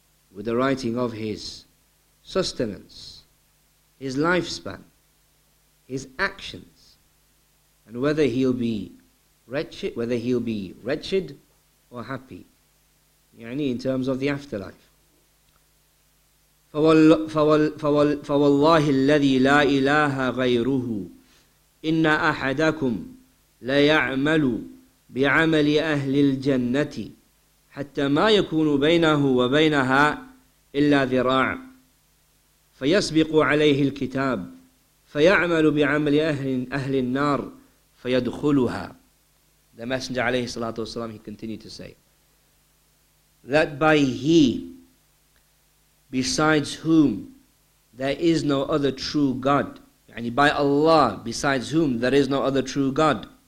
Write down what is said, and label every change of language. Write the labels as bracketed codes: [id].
[en] With the writing of his sustenance, his lifespan, his actions, and whether he'll be wretched or happy, yani in terms of the afterlife. [ar] فوالله الذي لا إله غيره إن أحدكم ليعمل بعمل أهل الجنة حتى ما يكون بينه وبينها إلا ذراع فيسبق عليه الكتاب فيعمل بعمل أهل النار فيدخلها. [en] The Messenger [ar] عليه الصلاة والسلام, [en] he continued to say that by he besides whom there is no other true God, and by Allah besides whom there is no other true God,